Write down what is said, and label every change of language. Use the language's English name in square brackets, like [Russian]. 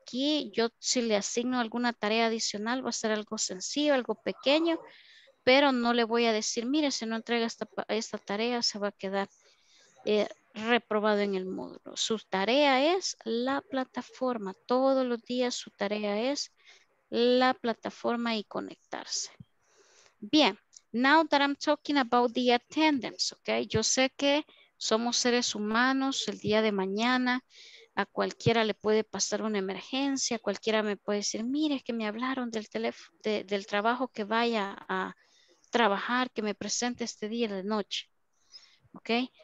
[Spanish] Aquí yo si le asigno alguna tarea adicional va a ser algo sencillo, algo pequeño, pero no le voy a decir, mire, si no entrega esta tarea se va a quedar reprobado en el módulo. Su tarea es la plataforma. Todos los días su tarea es la plataforma y conectarse. [English] Bien, now that I'm talking about the attendance, okay? [Spanish] Yo sé que somos seres humanos, el día de mañana a cualquiera le puede pasar una emergencia, cualquiera me puede decir, mire, es que me hablaron del teléfono, del trabajo que vaya a trabajar, que me presente este día de noche, ok.